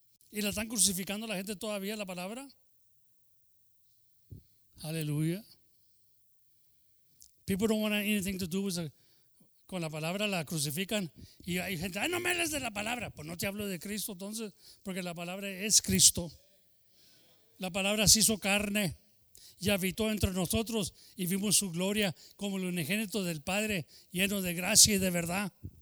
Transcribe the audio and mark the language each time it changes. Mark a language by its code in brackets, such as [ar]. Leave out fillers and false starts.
[es] ¿Y la están crucificando la gente todavía, la palabra? Aleluya. [en] People don't want anything to do with [es] con la palabra, la crucifican. Y hay gente, ¡ay, no me hables de la palabra! Pues no te hablo de Cristo, entonces, porque la palabra es Cristo. La palabra se hizo carne y habitó entre nosotros y vimos su gloria como el unigénito del Padre, lleno de gracia y de verdad.